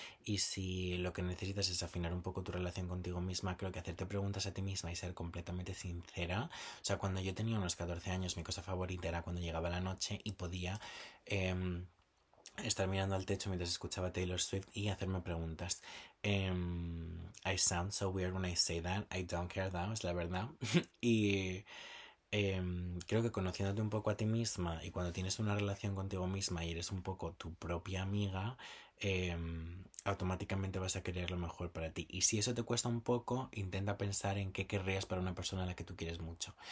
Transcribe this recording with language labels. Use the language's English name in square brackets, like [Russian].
[Spanish] Y si lo que necesitas es afinar un poco tu relación contigo misma, creo que hacerte preguntas a ti misma y ser completamente sincera. O sea, cuando yo tenía unos 14 años, mi cosa favorita era cuando llegaba la noche y podía estar mirando al techo mientras escuchaba Taylor Swift y hacerme preguntas. [English] I sound so weird when I say that. I don't care, though, [Spanish] es la verdad. Creo que conociéndote un poco a ti misma y cuando tienes una relación contigo misma y eres un poco tu propia amiga, automáticamente vas a querer lo mejor para ti. Y si eso te cuesta un poco, intenta pensar en qué querrías para una persona a la que tú quieres mucho.